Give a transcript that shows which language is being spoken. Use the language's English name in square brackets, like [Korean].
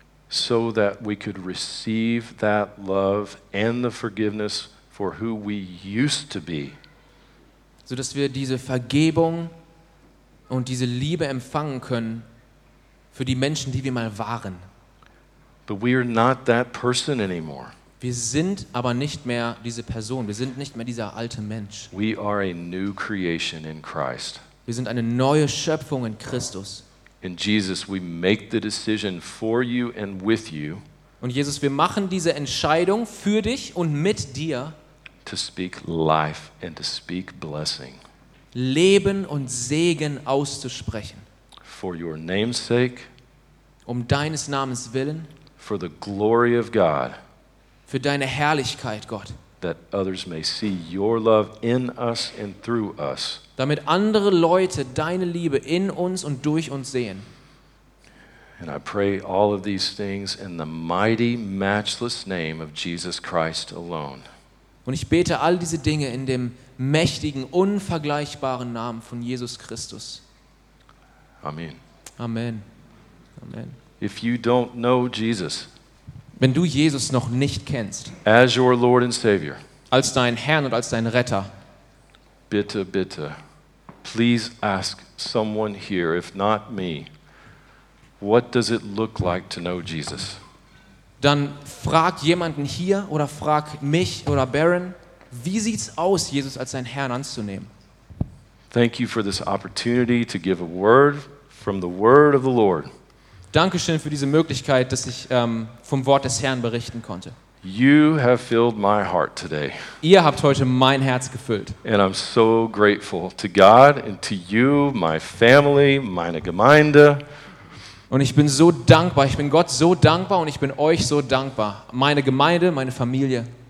[English] So that we could receive that love and the forgiveness for who we used to be. [German] So dass wir diese Vergebung und diese Liebe empfangen können. Für die Menschen, die wir mal waren. [English] But we are not that person anymore. [German] Wir sind aber nicht mehr diese Person. Wir sind nicht mehr dieser alte Mensch. [English] We are a new creation in Christ. [German] Wir sind eine neue Schöpfung in Christus. [English] In Jesus, we make the decision for you and with you. [German] Und Jesus, wir machen diese Entscheidung für dich und mit dir. [English] To speak life and to speak blessing. [German] Leben und Segen auszusprechen. [English] For your name's sake, [German] um deines Namens willen, [English] for the glory of God, [German] für deine Herrlichkeit, Gott, [English] that others may see your love in us and through us, [German] damit andere Leute deine Liebe in uns und durch uns sehen. [English] And I pray all of these things in the mighty, matchless name of Jesus Christ alone. [German] Und ich bete all diese Dinge in dem mächtigen, unvergleichbaren Namen von Jesus Christus. [English] Amen. [German] Amen. Amen. [English] If you don't know Jesus, [German] wenn du Jesus noch nicht kennst, [English] as your Lord and Savior, [German] als deinen Herrn und als deinen Retter, bitte, bitte, [English] please ask someone here, if not me, what does it look like to know Jesus? [German] Dann frag jemanden hier oder frag mich oder Baron, wie sieht's aus, Jesus als seinen Herrn anzunehmen? [English] Thank you for this opportunity to give a word from the word of the Lord. [German] Dankeschön für diese Möglichkeit, dass ich vom Wort des Herrn berichten konnte. [English] You have filled my heart today. [German] Ihr habt heute mein Herz gefüllt. [English] And I'm so grateful to God and to you, my family, [German] meine Gemeinde. Und ich bin so dankbar, ich bin Gott so dankbar und ich bin euch so dankbar, meine Gemeinde, meine Familie.